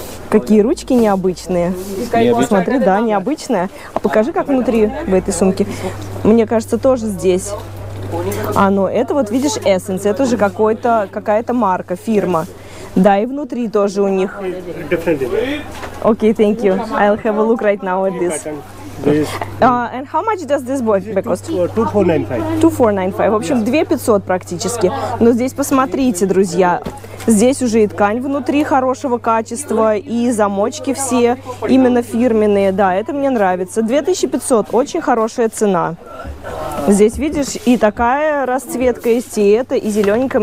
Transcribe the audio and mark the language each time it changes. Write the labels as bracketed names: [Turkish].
[Russian] Какие ручки необычные. Посмотри, да, необычная. А покажи, как внутри в этой сумке. Мне кажется, тоже здесь. А, ну, это вот, видишь, Essence. Это же какой-то, какая-то марка, фирма. Да, и внутри тоже у них. [English] Окей, thank you. I'll have a look right now at this. And how much does this boy cost? 2495. [Russian] 2495. В общем, 2500 практически. Но здесь посмотрите, друзья. Здесь уже и ткань внутри хорошего качества, и замочки все именно фирменные. Да, это мне нравится. 2500 – очень хорошая цена. Здесь, видишь, и такая расцветка есть, и это, и зелененькая.